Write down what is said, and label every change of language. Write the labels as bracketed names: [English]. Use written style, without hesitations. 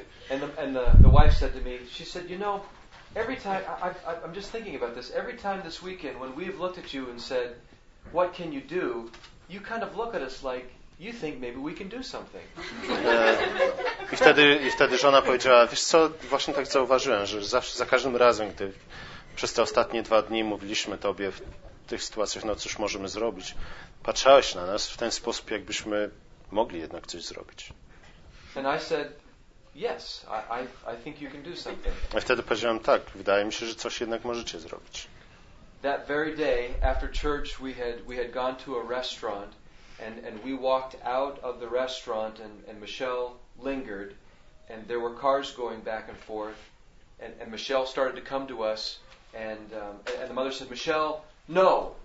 [English] And the wife said to me, she said, "You know, every time I'm just thinking about this. Every time this weekend, when we've looked at you and said, 'What can you do?' you kind of look at us like you think maybe we can do something." [Polish] I wtedy żona powiedziała, "Wiesz co? Właśnie tak zauważyłem, że zawsze za każdym razem, gdy przez te ostatnie dwa dni mówiliśmy tobie w tych sytuacjach, no cóż możemy zrobić, patrzałeś na nas w ten sposób, jakbyśmy mogli jednak coś zrobić." [English] And I said, "Yes, I think you can do something." [Polish] A wtedy powiedziałem, tak, wydaje mi się, że coś jednak możecie zrobić. [English] That very day after church we had gone to a restaurant and we walked out of the restaurant and Michelle lingered and there were cars going back and forth and Michelle started to come to us and the mother said, "Michelle, no."